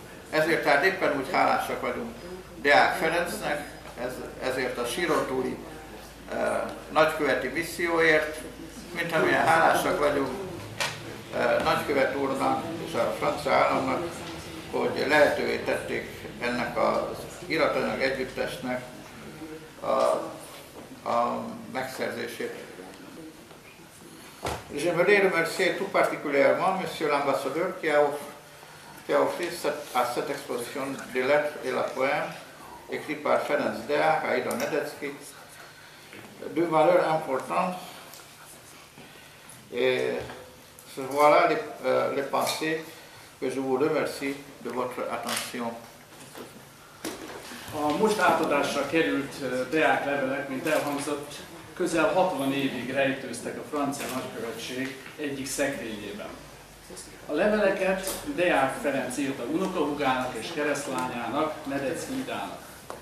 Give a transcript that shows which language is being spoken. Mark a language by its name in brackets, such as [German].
[Hungarian] ezért tehát éppen úgy hálásak vagyunk Deák Ferencnek, ezért a sírótúli nagyköveti misszióért, mint amilyen hálásak vagyunk nagykövet úrnak és a francia államnak, hogy lehetővé tették ennek az iratanyag együttesnek a megszerzését. [French] Je voudrais remercier tout particulièrement M. l'ambassadeur qui a offert à cette exposition des lettres et la poème écrits par Ferenc Deák, Aida Nedecki, deux valeurs importantes et voilà les pensées que je vous remercie de votre attention. [Hungarian] A most átadásra került Deák levelek, mint elhangzott, közel 60 évig rejtőztek a francia nagykövetség egyik szekrényében. A leveleket Deák Ferenc írta unokahúgának és keresztlányának, Medec Hídának.